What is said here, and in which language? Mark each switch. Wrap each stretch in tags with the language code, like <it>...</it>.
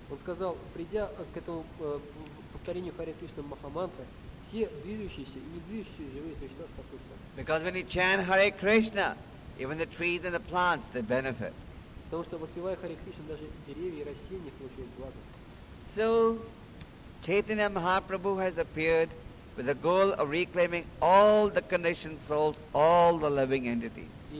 <ru>Он сказал, придя к этому повторению Харе Кришна Махамантры, все движущиеся и недвижущиеся живые существа спасутся.</ru> <en>Because when you chant Hare Krishna, even the trees and the plants, they benefit.</en> <ru>Потому что, воспевая Харе Кришна, даже деревья и растения получают благо.</ru> <en>So, Chaitanya Mahaprabhu has appeared with the goal of reclaiming all the conditioned souls, all the living entities.</en>